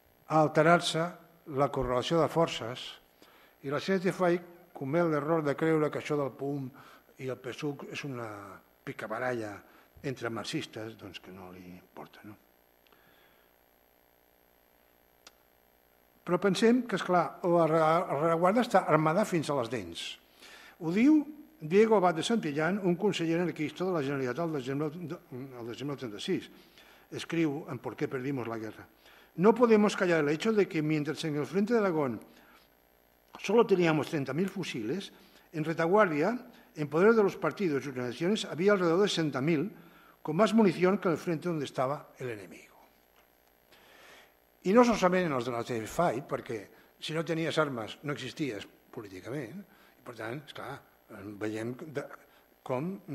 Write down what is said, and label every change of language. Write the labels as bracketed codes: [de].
[ca] a alterar-se la correlació de forces i la CNTFI comet l'error de creure que això del PUM i el PSUC és una picabaralla entre marxistes, doncs que no li importa, no? Però pensem que, esclar, la rereguarda està armada fins a les dents. Ho diu Diego Abad de Santillán, un conseller anarquista de la Generalitat el desembre del 36. Escriu en [es] Por qué perdimos la guerra. No podemos callar el hecho de que mientras en el frente de Aragón solo teníamos 30.000 fusiles, en retaguardia, en poder de los partidos y organizaciones, había alrededor de 60.000 con más munición que en el frente donde estaba el enemigo. [ca] I no solament en els de la CFI, perquè si no tenies armes no existies políticament. Per tant, esclar, veiem com